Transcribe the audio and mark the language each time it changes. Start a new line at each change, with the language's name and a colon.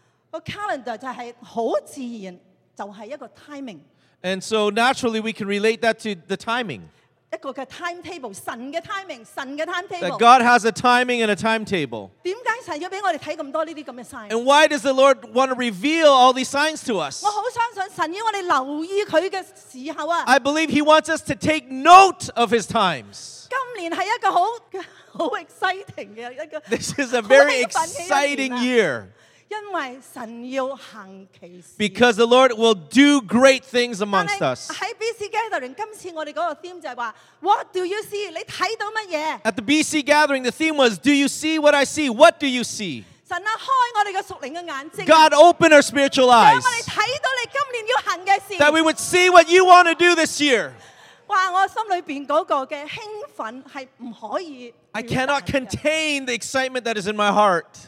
English: A calendar
Cantonese: 就係好自然，就係一個 timing.
English: And so naturally, we can relate that to the timing.
Cantonese: 一個嘅 timetable， 神嘅 timing， 神嘅 timetable。
English: That God has a timing and a timetable。
Cantonese: 點解神要俾我哋睇咁多呢啲咁嘅 sign？
English: And why does the Lord want to reveal all these signs to us？
Cantonese: 我好相信神要我哋留意佢嘅時候啊。
English: I believe He wants us to take note of His times。
Cantonese: 今年係一個好 exciting 嘅一個。
English: This is a very exciting year。
Cantonese: 因為神要行奇事。
English: Because the Lord will do great things amongst us.
Cantonese: 但係喺 BC Gathering， 今次我哋嗰個 theme 就係話 ，
English: What do you see？
Cantonese: 你睇到乜嘢
English: ？At the BC Gathering， the theme was， Do you see what I see？ What do you see？
Cantonese: 神啊，開我哋嘅屬靈嘅眼睛。
English: God， open our spiritual eyes。
Cantonese: 讓我哋睇到你今年要行嘅事。
English: That we would see what you want to do this year。哇！
Cantonese: 我心裏邊嗰個嘅興奮係唔可以。
English: I cannot contain the excitement that is in my heart。